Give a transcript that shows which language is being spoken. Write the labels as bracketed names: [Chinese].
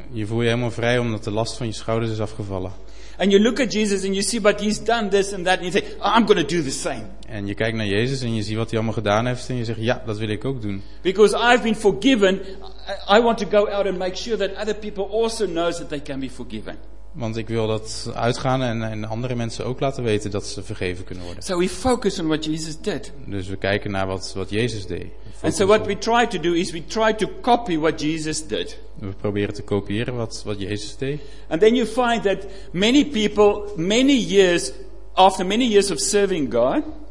[Dutch] Je voelt je helemaal vrij omdat de last van je schouders is afgevallen. [English] And you look at Jesus and you see what he's done this and that and you say, oh, I'm going to do the same. [Dutch] En je kijkt naar Jezus en je ziet wat hij allemaal gedaan heeft en je zegt ja, dat wil ik ook doen. [English] Because I've been forgiven, I want to go out and make sure that other people also knows that they can be forgiven. [Dutch] Want ik wil dat uitgaan en andere mensen ook laten weten dat ze vergeven kunnen worden. [English] So we focus on what Jesus did. [Dutch] Dus we kijken naar wat Jezus deed. [English] And so what we try to do is we try to copy what Jesus did. [Dutch] We proberen te kopiëren wat Jezus deed. [English] And then you find that many people, many years of serving God.